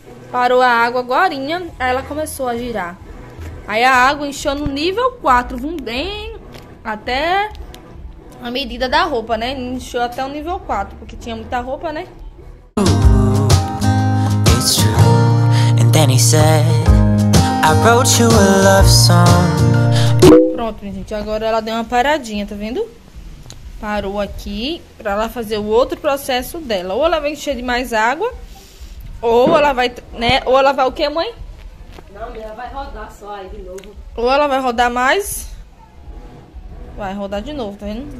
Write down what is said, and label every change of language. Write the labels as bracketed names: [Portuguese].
[Portuguese] Parou a água agorinha, aí ela começou a girar. Aí a água encheu no nível 4, vão bem até a medida da roupa, né? Encheu até o nível 4, porque tinha muita roupa, né? [English] It's true. And then he said, I wrote you a love song. [Portuguese] Pronto, gente. Agora ela deu uma paradinha, tá vendo? Parou aqui pra ela fazer o outro processo dela. Ou ela vai encher de mais água, ou ela vai, né? Ou ela vai o quê, mãe? Não, ela vai rodar só aí de novo. Ou ela vai rodar mais. Vai rodar de novo, tá vendo?